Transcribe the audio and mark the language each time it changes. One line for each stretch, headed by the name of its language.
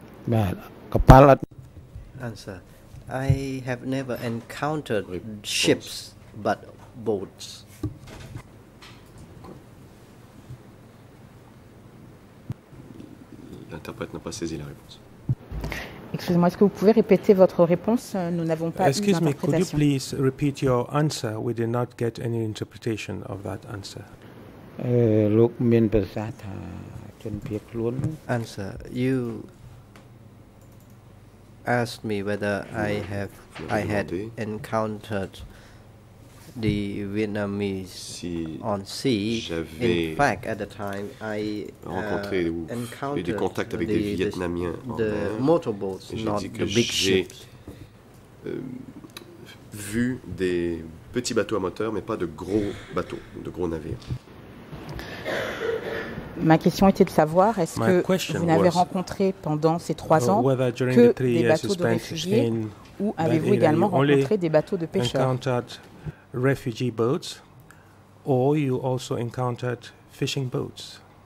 English: Answer. I have never encountered ships, but boats.
French: L'interprète n'a pas saisi la réponse. Excusez-moi, est-ce que vous pouvez répéter votre réponse? Nous n'avons pas eu d'interprétation.
English: Excuse me, could you please repeat your answer? We did not get any interpretation of that answer. Answer. You asked me whether I had encountered the Vietnamese
French: si
English: on sea. In fact, at the time, I encountered
French: contact avec des Vietnamiens
English: the motorboats, not the big ships.
French: Vu des petits bateaux à moteur, mais pas de gros bateaux, de gros navires. Ma question était de savoir est-ce
English: My
French: que vous n'avez rencontré pendant ces trois ans que des bateaux de réfugiés ou avez-vous également rencontré des bateaux de pêcheurs?
English: Refugee boats, or you also encountered fishing boats?